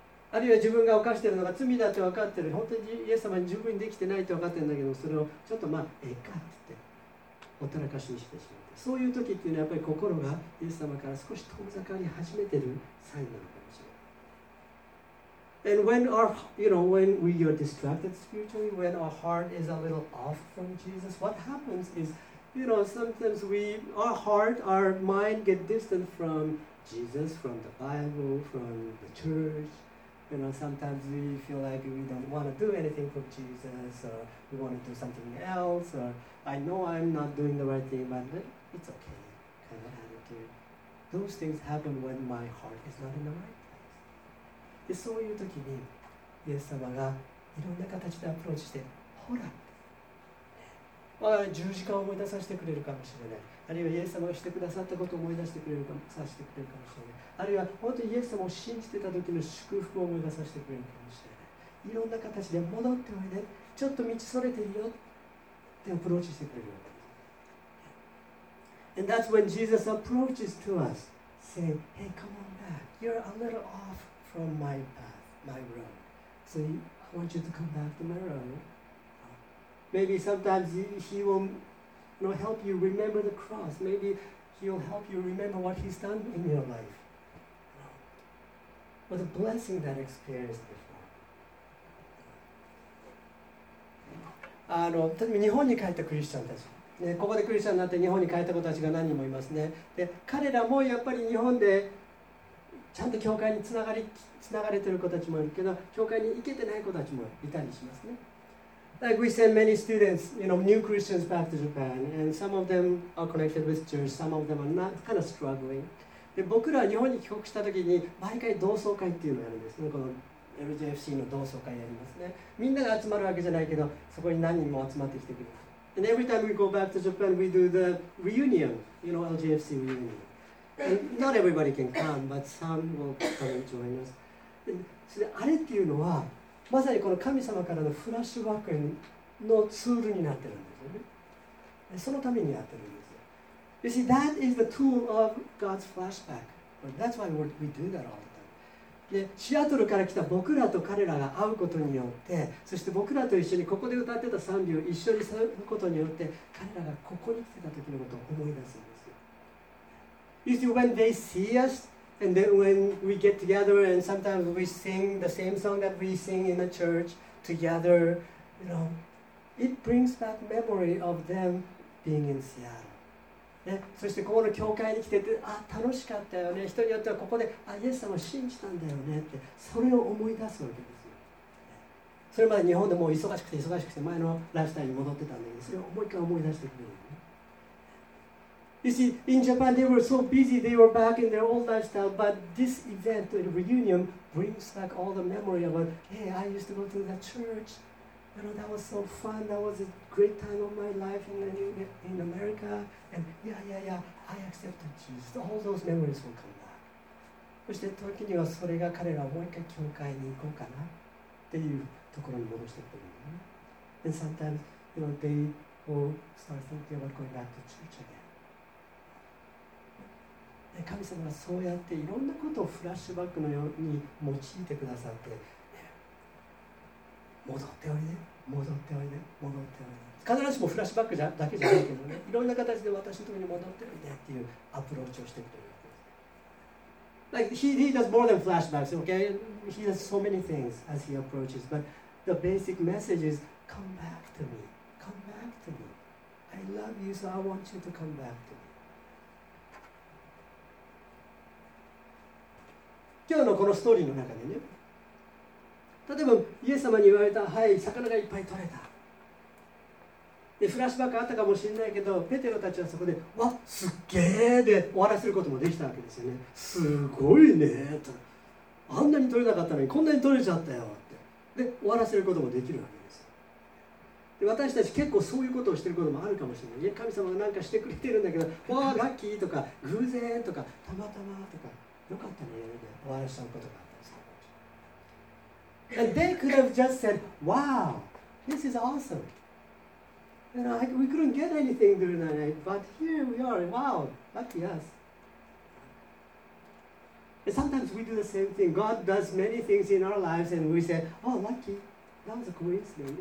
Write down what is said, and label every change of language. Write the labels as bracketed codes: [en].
[ja] あるいは自分が犯しているのが罪だって分かってる、本当にイエス様に十分にできてないって分かってるんだけど、それをちょっとまあええかって言ってほったらかしにしてしまう。そういう時っていうのはやっぱり心がイエス様から少し遠ざかり始めてるサインなのかもしれない。 [en] And when our, you know, when we are distracted spiritually, when our heart is a little off from Jesus, what happens is, you know, sometimes we, our heart, our mind get distant from Jesus, from the Bible, from the church. You know, sometimes we feel like we don't want to do anything for Jesus, or we want to do something else, or I know I'm not doing the right thing, but it's okay, kind of attitude. Those things happen when my heart is not in the right. [ja] で、そういう時にイエス様がいろんな形でアプローチして、ほら、まあ、十字架を思い出させてくれるかもしれない、あるいはイエス様がしてくださったことを思い出してくれるかも、させてくれるかもしれない、あるいは本当にイエス様を信じてた時の祝福を思い出させてくれるかもしれない。いろんな形で戻っておいで、ちょっと道それてるよってアプローチしてくれる。 [en] And that's when Jesus approaches to us saying, Hey, come on back. You're a little offFrom my path, my road. So I want you to come back to my road. Maybe sometimes he will, you know, help you remember the cross. Maybe he'll help you remember what he's done in your life. What a blessing that experience before. [ja] あの、例えば日本に帰ったクリスチャンたち、ね、ここでクリスチャンになって日本に帰った子たちが何人もいますね。で、彼らもやっぱり日本でちゃんと教会につながり、つながれてる子たちもいるけど、教会に行けてない子たちもいたりしますね。 [en] Like we send many students, you know, new Christians back to Japan, and some of them are connected with church, some of them are not, kind of struggling. [ja] で、僕らは日本に帰国した時に、毎回同窓会っていうのをやるんですね。この LJFC の同窓会やりますね。みんなが集まるわけじゃないけど、そこに何人も集まってきてくれる。 [en] And every time we go back to Japan, we do the reunion, you know, LJFC reunion. And not everybody can come, but some will come and join us. [ja] それあれっていうのは、まさにこの神様からのフラッシュバックのツールになってるんですよね。そのためにやってるんですよ。 [en] You see, that is the tool of God's flashback. That's why we do that all the time. [ja] で、シアトルから来た僕らと彼らが会うことによって、そして僕らと一緒にここで歌ってた賛美を一緒にすることによって、彼らがここに来てた時のことを思い出すんです。 [en] You see, when they see us, and then when we get together, and sometimes we sing the same song that we sing in the church together, you know, it brings back memory of them being in Seattle. [ja] ね、そしてここの教会に来てて、あ、楽しかったよね。人によってはここで、あ、イエス様を信じたんだよねって、それを思い出すわけですよ。それまで日本でもう忙しくて忙しくて前のライフスタイルに戻ってたんだけど、それをもう一回思い出してくれる。 [en] You see, in Japan, they were so busy, they were back in their old lifestyle, but this event, the reunion, brings back all the memory about, hey, I used to go to that church, You know, that was so fun. That was a great time of my life in America. And yeah, I accepted Jesus. All those memories will come back. [ja] そして時にはそれが彼らもう一回教会に行こうかなっていうところに戻してくる。 [en] And sometimes, you know, they will start thinking about going back to church again. [ja] 神様はそうやっていろんなことをフラッシュバックのように用いてくださって、戻っておいで、戻っておいで、戻っておいで。必ずしもフラッシュバックじゃだけじゃないけどね、いろんな形で私のところに戻っておいでっていうアプローチをしてくれるわけです。 [en] Like, he does more than flashbacks, okay? He does so many things as he approaches, but the basic message is, come back to me, come back to me. I love you, so I want you to come back to me. [ja] 今日のこのストーリーの中でね、例えば、イエス様に言われた、はい、魚がいっぱい取れた。で、フラッシュバックあったかもしれないけど、ペテロたちはそこで、わっ、すっげーで終わらせることもできたわけですよね。すごいねーと。あんなに取れなかったのに、こんなに取れちゃったよって。で、終わらせることもできるわけです。で、私たち結構そういうことをしてることもあるかもしれない。いや、神様が何かしてくれてるんだけど、わー、ラッキーとか、偶然とか、たまたまとか、よかったねーって終わらせちゃうことが。 [en] And they could have just said, wow, this is awesome. You know, we couldn't get anything during that night, but here we are, wow, lucky us. And sometimes we do the same thing. God does many things in our lives and we say, oh, lucky, that was a coincidence.